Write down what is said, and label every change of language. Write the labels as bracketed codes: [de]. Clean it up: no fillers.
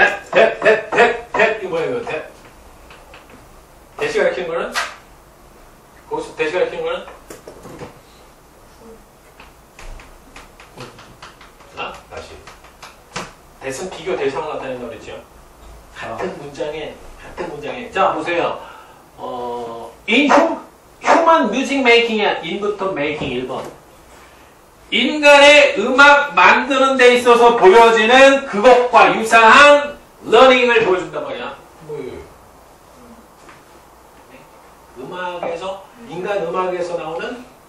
[ko] That. 이거 뭐예요, 이거? That. 대시가 읽힌 거는? 거기서 대시가 읽힌 거는? 대신 비교 대상 같다는 말이죠. 같은 문장에, 같은 문장에. 자, 보세요. [en] In human music making, in부터 making [ko] 1번. 인간의 음악 만드는 데 있어서 보여지는 그것과 유사한 learning을 보여준단 말이야. 음악에서, 인간 음악에서 나오는?